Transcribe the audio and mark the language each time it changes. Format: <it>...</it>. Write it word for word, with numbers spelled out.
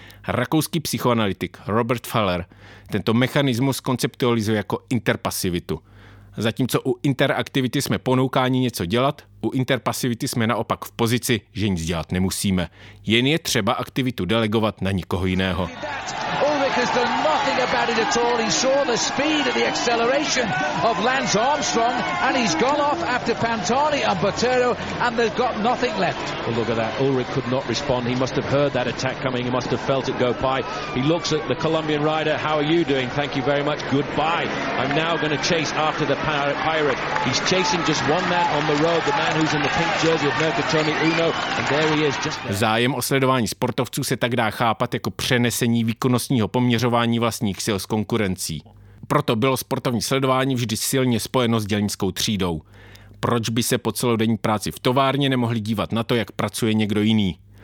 <cs>Rakouský psychoanalytik Robert Faller tento mechanismus konceptualizuje jako interpasivitu. Zatímco u interaktivity jsme ponoukáni něco dělat, u interpasivity jsme naopak v pozici, že nic dělat nemusíme. Jen je třeba aktivitu delegovat na nikoho jiného.</cs> <en>Has done nothing about it at all. He saw the speed and the acceleration of Lance Armstrong and he's gone off after Pantani and Botero and they've got nothing left. Well, look at that. Ulrich could not respond. He must have heard that attack coming. He must have felt it go by. He looks at the Colombian rider. How are you doing? Thank you very much. Goodbye. I'm now going to chase after the pirate. He's chasing just one man on the road, the man who's in the pink jersey of Mercatoni Uno, and there he is just there.</en> <cs>Zájem o sledování sportovců se tak dá chápat jako přenesení výkonnostního pom- měřování vlastních sil s konkurencí. Proto bylo sportovní sledování vždy silně spojeno s dělnickou třídou. Proč by se po celodenní práci v továrně nemohli dívat na to, jak pracuje někdo jiný?</cs>